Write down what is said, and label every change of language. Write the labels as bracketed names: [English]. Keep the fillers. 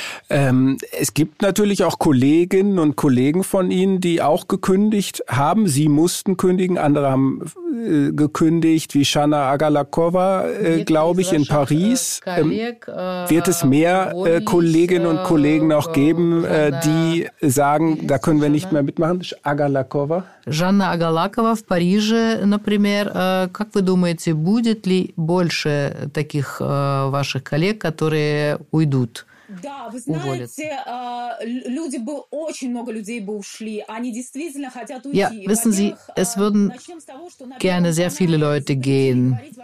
[German] Ähm, es gibt natürlich auch Kolleginnen und Kollegen von Ihnen, die auch gekündigt haben. Sie mussten kündigen, andere haben äh, gekündigt, wie Shana Agalakova, äh, glaube ich, in Paris. Ähm, wird es mehr äh, Kolleginnen und Kollegen auch geben, die sagen, da können wir nicht mehr mitmachen? Agalakova? [Russian] Жанна Агалакова в Париже, например. Как вы думаете, будет ли больше таких ваших коллег, которые уйдут? Да, вы знаете, уволят. люди бы очень много людей бы ушли. Они действительно хотят уйти. [German] Ja, wissen Sie, es würden gerne sehr viele Leute gehen.